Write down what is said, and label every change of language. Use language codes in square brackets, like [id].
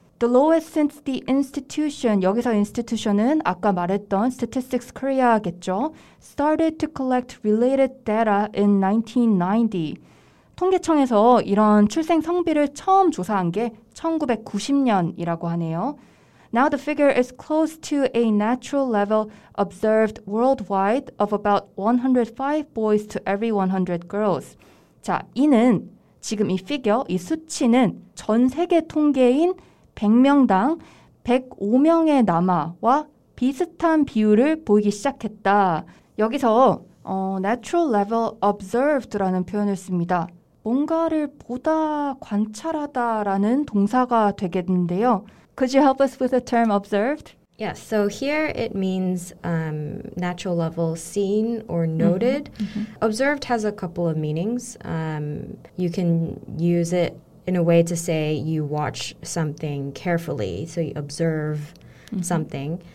[en] The lowest since the institution, [ko] 여기서 institution은 아까 말했던 Statistics Korea겠죠. [en] Started to collect related data in 1990. [ko] 통계청에서 이런 출생 성비를 처음 조사한 게 1990년이라고 하네요. [en] Now the figure is close to a natural level observed worldwide of about 105 boys to every 100 girls. [ko] 자, 이는 지금 이 figure, 이 수치는 전 세계 통계인 100명당 105명의 남아와 비슷한 비율을 보이기 시작했다. 여기서 [en] natural level observed [ko] 라는 표현을 씁니다. 뭔가를 보다 관찰하다라는 동사가 되겠는데요. [en] Could you help us with the term observed? Yes, so here it means natural level seen or noted. Observed has a couple of meanings. You can use it in a way to say you watch something carefully, so you observe something.